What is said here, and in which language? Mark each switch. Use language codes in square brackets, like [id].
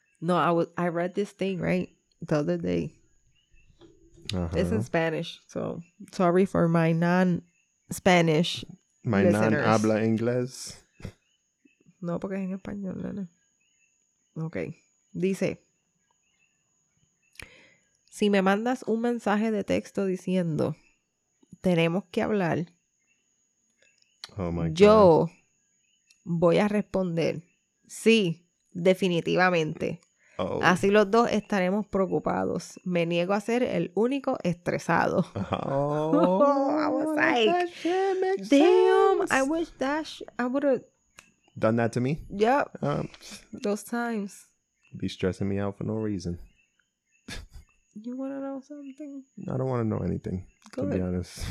[en] No, I read this thing, right? The other day. Uh-huh. It's in Spanish. So, sorry for my non-Spanish my listeners. Non-habla inglés. [es] No, porque es en español, nene. Okay, dice, si me mandas un mensaje de texto diciendo, tenemos que hablar, [en] Oh my God. [es] Voy a responder, sí, definitivamente, oh. Así los dos estaremos preocupados, me niego a ser el único estresado. Oh, [en] I was like, damn, I wish I would have... Done that to me? Yep. Those times. Be stressing me out for no reason. You want to know something? I don't want to know anything, good. To be honest.